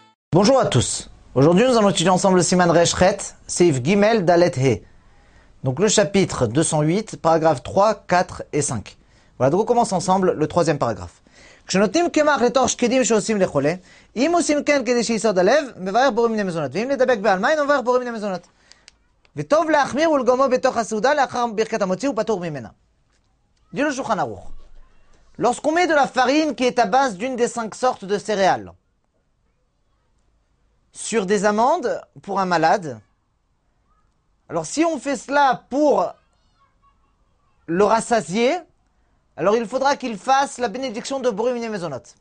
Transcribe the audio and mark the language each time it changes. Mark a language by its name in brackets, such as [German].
[French] Bonjour à tous. Aujourd'hui, nous allons étudier ensemble le Siman Reshret, Seif Gimel Dalet He. Donc le chapitre 208, paragraphes 3, 4 et 5. Voilà, donc on commence ensemble le troisième paragraphe. [Hebrew] כשנותנים קמח לתור שקדים שעושים לחולה, אם עושים כן כדי שיסוד הלב, מברך בורא מיני מזונות. ואם נדבק בעל מים, מברך בורא מיני מזונות. וטוב להחמיר ולגומו בתוך הסעודה לאחר ברכת המוציא ופטור ממנה. דינו שולחן ערוך. [French] Lorsqu'on met de la farine qui est à base d'une des cinq sortes de céréales sur des amandes pour un malade, alors si on fait cela pour le rassasier, alors il faudra qu'il fasse la bénédiction de Bourim et Maisonot.